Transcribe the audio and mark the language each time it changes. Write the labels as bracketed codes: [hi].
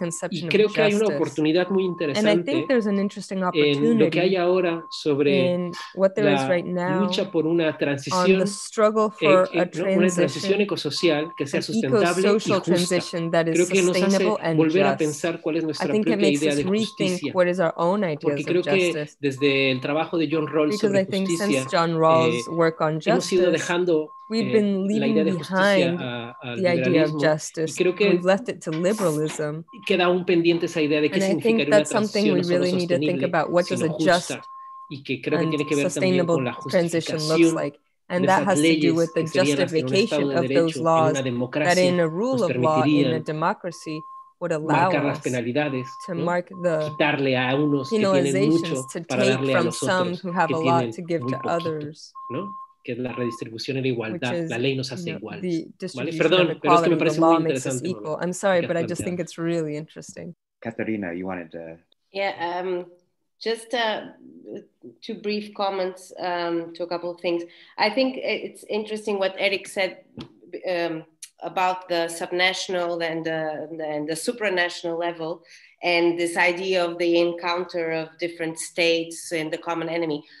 [es] Y creo que hay una oportunidad muy interesante en lo que hay ahora sobre la lucha por una transición, una transición ecosocial que sea sustentable y justa. Creo que nos hace volver a pensar cuál es nuestra propia idea de justicia, porque creo que desde el trabajo de John Rawls sobre justicia hemos ido dejando [en] we've been leaving behind the idea of justice. We've left it to liberalism. [es] Queda aún pendiente esa idea de qué significa una transición no solo sostenible, sino justa. Y que creo que tiene que ver también con la justificación [en] and that has to do with the justification of those laws that in a rule of law, in a democracy, would allow us to mark the penalizations to take from some who have a lot to give to others. [es] Que es la redistribución y la igualdad, la ley nos hace iguales. ¿Vale? Perdón, pero es que me parece muy interesante. [en] I'm sorry, but I just think it's really interesting. Katharina, you wanted to... Yeah, just two brief comments to a couple of things. I think it's interesting what Eric said about the subnational and the supranational level and this idea of the encounter of different states and the common enemy.